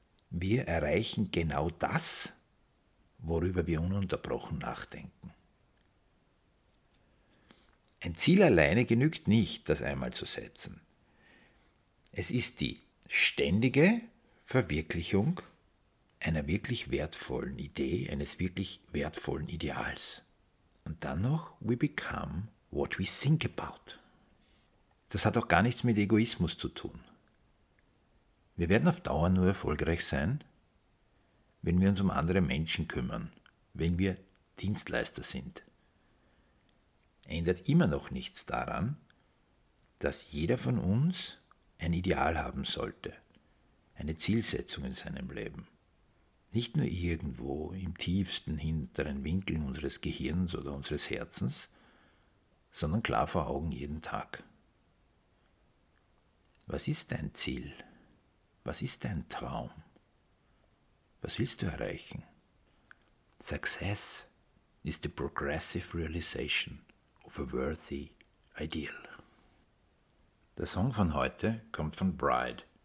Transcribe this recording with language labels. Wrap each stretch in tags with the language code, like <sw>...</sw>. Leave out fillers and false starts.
<de>Wir erreichen genau das, worüber wir ununterbrochen nachdenken. Ein Ziel alleine genügt nicht, das einmal zu setzen. Es ist die ständige Verwirklichung einer wirklich wertvollen Idee, eines wirklich wertvollen Ideals. Und dann noch,</de> <en>we become what we think about.</en> <de>Das hat auch gar nichts mit Egoismus zu tun. Wir werden auf Dauer nur erfolgreich sein, wenn wir uns um andere Menschen kümmern, wenn wir Dienstleister sind. Ändert immer noch nichts daran, dass jeder von uns ein Ideal haben sollte, eine Zielsetzung in seinem Leben. Nicht nur irgendwo im tiefsten hinteren Winkel unseres Gehirns oder unseres Herzens, sondern klar vor Augen jeden Tag. Was ist dein Ziel? Was ist dein Traum? Was willst du erreichen?</de> <en>Success is the progressive realization of a worthy ideal.</en> <de>Der Song von heute kommt von Bride.</de>